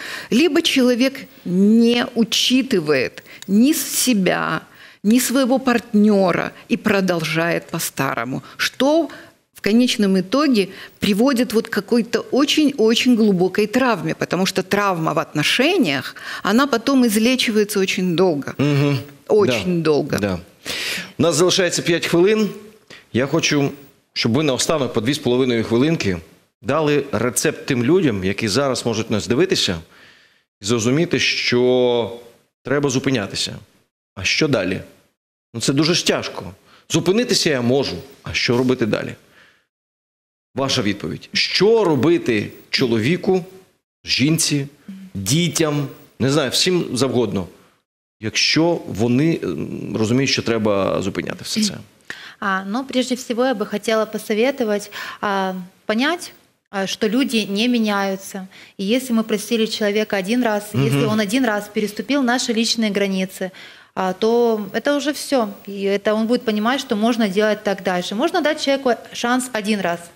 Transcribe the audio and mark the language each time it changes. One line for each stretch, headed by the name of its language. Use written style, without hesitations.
Russian: Либо человек не учитывает ни себя, ни своего партнера и продолжает по-старому, что в конечном итоге приводит вот к какой-то очень-очень глубокой травме, потому что травма в отношениях, она потом излечивается очень долго. Угу. Очень да. долго. Да.
Ukrainian: У нас залишається 5 хвилин. Я хочу, щоб ви наостанок по 2,5 хвилинки дали рецепт тим людям, які зараз можуть нас дивитися, і зрозуміти, що треба зупинятися. А що далі? Ну, це дуже ж тяжко. Зупинитися я можу, а що робити далі? Ваша відповідь. Що робити чоловіку, жінці, дітям, не знаю, всім завгодно, якщо вони розуміють, що треба зупиняти все це?
Russian: Ну, прежде всего,
Ukrainian: я би хотіла
Russian: посоветувати понять, что люди не меняются. И если мы простили человека один раз, угу. если он один раз переступил наши личные границы, то это уже все. И это он будет понимать, что можно делать так дальше. Можно дать человеку шанс один раз.